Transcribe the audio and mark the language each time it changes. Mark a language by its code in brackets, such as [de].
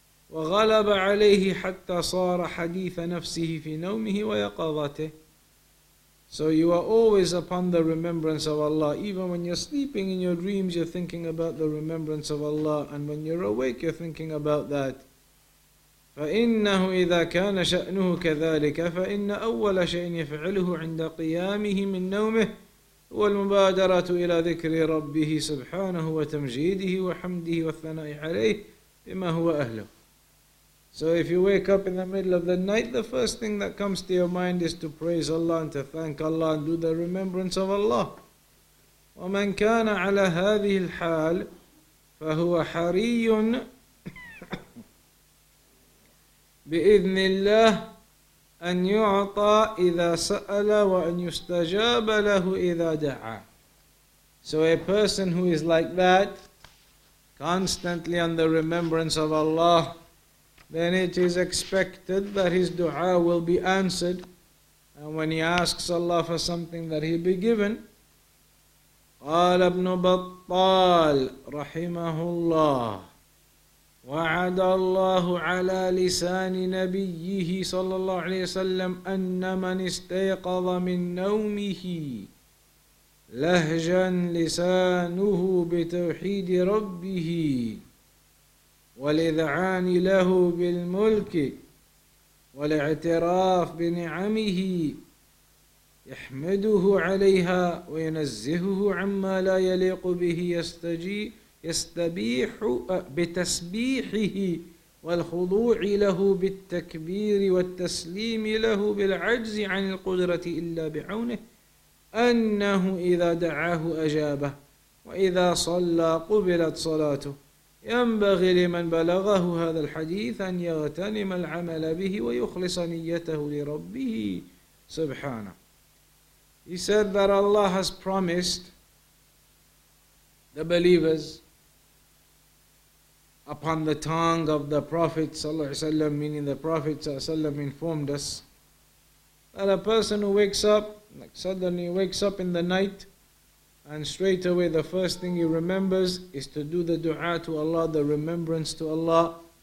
[ar] وَغَلَبَ عَلَيْهِ حَتَّى صَارَ حَدِيثَ نَفْسِهِ فِي نَوْمِهِ وَيَقَظَتِهِ. [en] So you are always upon the remembrance of Allah. Even when you're sleeping in your dreams, you're thinking about the remembrance of Allah. And when you're awake, you're thinking about that. [ar] فَإِنَّهُ إِذَا كَانَ شَأْنُهُ كَذَلِكَ فَإِنَّ أَوَّلَ شَيْءٍ يَفْعِلُهُ عِنْدَ قِيَامِهِ مِنْ نَوْمِهِ والمبادرة إلى ذكر ربه سبحانه وتمجيده وحمده والثناء عليه بما هو أهله. [en] So if you wake up in the middle of the night, the first thing that comes to your mind is to praise Allah and to thank Allah and do the remembrance of Allah. [ar] ومن كان على هذه الحال فهو حري بإذن الله أن يعطى إذا سأل وأن يستجاب له إذا دعا. [en] So a person who is like that, constantly on the remembrance of Allah, then it is expected that his dua will be answered. And when he asks Allah for something, that he be given. [ar] قال ابن بطال رحمه الله وعد الله على لسان نبيه صلى الله عليه وسلم أن من استيقظ من نومه لهجا لسانه بتوحيد ربه والإذعان له بالملك والاعتراف بنعمه يحمده عليها وينزهه عما لا يليق به يستبيح بتسبيحه والخضوع له بالتكبير والتسليم له بالعجز عن القدرة إلا بعونه أنه إذا دعاه أجابه وإذا صلى قبلت صلاته ينبغي لمن بلغه هذا الحديث أن يغتنم العمل به ويخلص نيته لربه سبحانه. [en] He said that Allah has promised the believers upon the tongue of the Prophet sallallahu alaihi wasallam, meaning the Prophet sallallahu alaihi wasallam informed us that a person who wakes up, like suddenly wakes up in the night, and straight away the first thing he remembers is to do the dua to Allah, the remembrance to Allah.